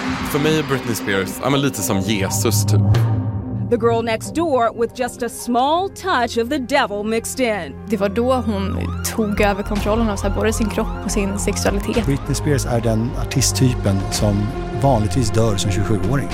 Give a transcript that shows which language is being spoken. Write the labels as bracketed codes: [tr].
[sv] För mig är Britney Spears, jag är lite som Jesus typ. [en] The girl next door with just a small touch of the devil mixed in. [sv] Det var då hon tog över kontrollen av både sin kropp och sin sexualitet. Britney Spears är den artisttypen som vanligtvis dör som 27-åring.